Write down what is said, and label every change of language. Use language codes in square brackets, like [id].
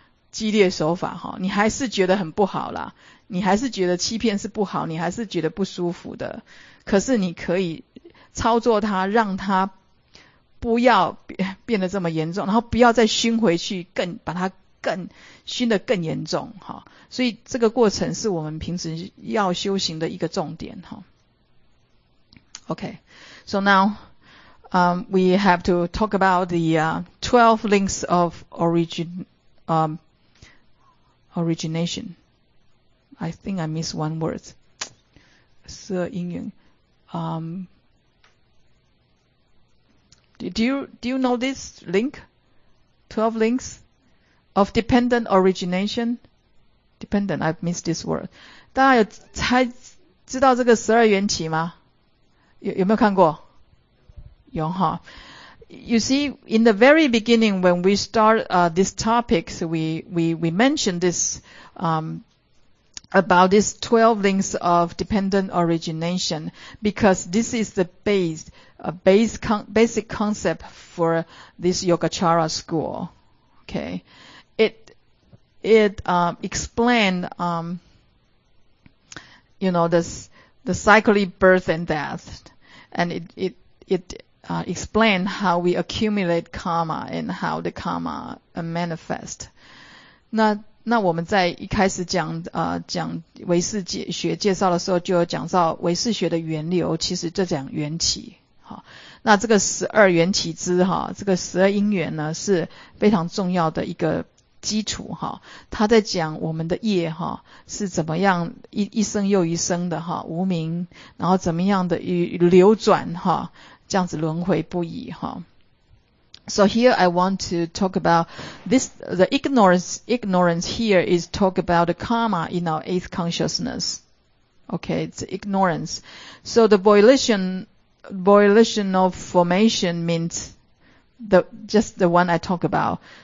[zh] 激烈手法哈，你还是觉得很不好啦，你还是觉得欺骗是不好，你还是觉得不舒服的，可是你可以操作它，让它不要变得这么严重，然后不要再熏回去，更把它更熏得更严重哈。所以这个过程是我们平时要修行的一个重点哈。 [en] Okay, so now we have to talk about the 12 links of origination. I think I missed one word. 12因缘. Do you know this link? 12 links of dependent origination? Dependent, I've missed this word. [zh] 大家有猜知道这个十二缘起吗？有没有看过？有哈。 [en] You see, in the very beginning, when we start this topic, we mentioned this about these 12 links of dependent origination, because this is the basic concept for this Yogacara school. Okay. It explained the cyclic birth and death, and it explained how we accumulate karma and how the karma manifest. [zh] 那我们在一开始讲唯识学介绍的时候，就有讲到唯识学的源流，其实就讲缘起。好，那这个十二缘起之哈，这个十二因缘呢是非常重要的一个基础哈。他在讲我们的业哈是怎么样一生又一生的哈无明，然后怎么样的流转哈，这样子轮回不已哈。 [en] So here I want to talk about this, the ignorance here is talk about the karma in our eighth consciousness. Okay, it's ignorance. So the volitional formation means the one I talk about.